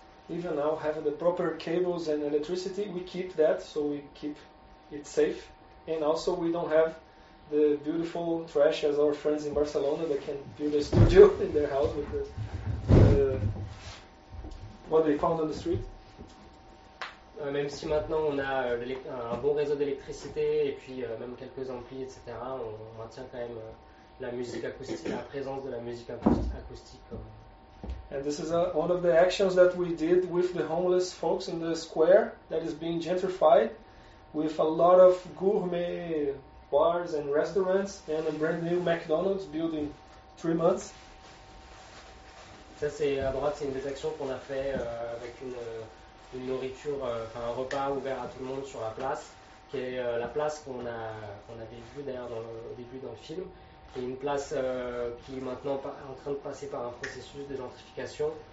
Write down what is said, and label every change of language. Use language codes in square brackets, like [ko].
[en] Even now, having the proper cables and electricity, we keep that, so we keep it safe. And also, we don't have the beautiful trash as our friends in Barcelona that can build a studio in their house with what they found on the street. [fr] Même si maintenant on a un bon réseau d'électricité et puis même quelques amplis, etc., on maintient quand même la musique acoustique, la présence de la musique acoustique. [en] And this is one of the actions that we did with the homeless folks in the square that is being gentrified with a lot of gourmet bars and restaurants and a brand new McDonald's built in 3 months. [fr] Ça c'est à droite, c'est une des actions qu'on a fait avec une nourriture, un repas ouvert à tout le monde sur la place, qui est la place qu'on avait vue d'ailleurs au début dans le film. Et une place qui est maintenant en train de passer par un processus de gentrification